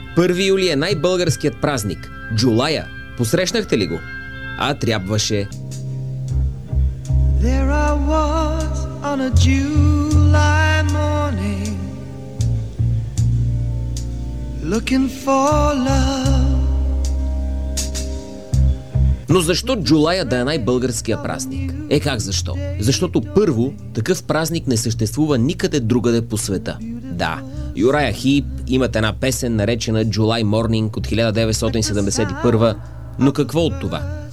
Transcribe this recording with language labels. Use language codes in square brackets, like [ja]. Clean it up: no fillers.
[bg] 1 юли е най-българският празник. Джулая. Посрещнахте ли го? А трябваше... [en] There I was on a July morning, looking for love. [bg] Но защо Джулая да е най-българския празник? Е как защо? Защото първо, такъв празник не съществува никъде другаде по света. Да, Юрая Хип имат една песен, наречена July Morning от 1971, но какво от това?